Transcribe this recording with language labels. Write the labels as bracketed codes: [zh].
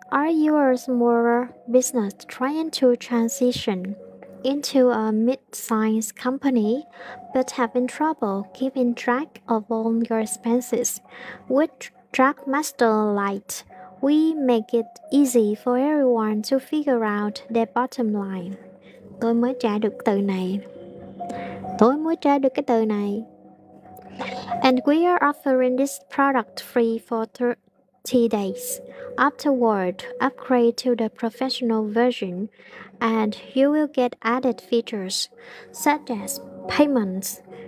[en] Are you a smaller business trying to transition into a mid-sized company but having trouble keeping track of all your expenses? With Trackmaster Lite, we make it easy for everyone to figure out their bottom line. [vi] Tôi mới trả được từ này. Tôi mới trả được cái từ này. [en] And we are offering this product free for 30 days. Afterward, upgrade to the professional version and you will get added features such as payments.